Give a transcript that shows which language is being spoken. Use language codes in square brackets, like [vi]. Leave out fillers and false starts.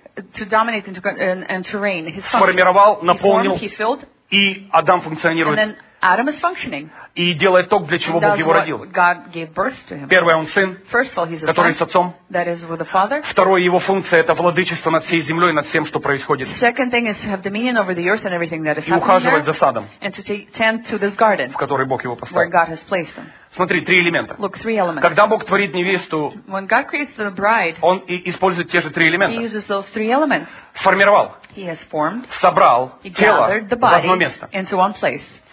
[en] To dominate and to reign. His function. [ru] Сформировал, наполнил, [en] he formed, he filled, [ru] и Адам функционирует. [en] And then Adam is functioning. [ru] И делает то, для чего [en] and [ru] Бог его родил. [en] God gave birth to him. [ru] Первое, он сын, [en] all, [ru] который [en] son, [ru] с отцом. [en] That is with the father. [ru] Второе, его функция – это владычество над всей землей, над всем, что происходит. [en] Second thing is to have dominion over the earth and everything that is happening [ru] и ухаживать [en] there, [ru] за садом, [en] and to tend to this garden, [ru] в который Бог его поставил. [en] Where God has placed them. [ru] Смотри, три элемента. [en] Look, three elements. [ru] Когда Бог творит невесту, [en] when God creates the bride, [ru] он использует те же три элемента. [en] He uses those three elements. [ru] Формировал. [en] He has formed, [ru] собрал [en] he [ru] тело [en] gathered the body [ru] в одно место. [en] Into one place.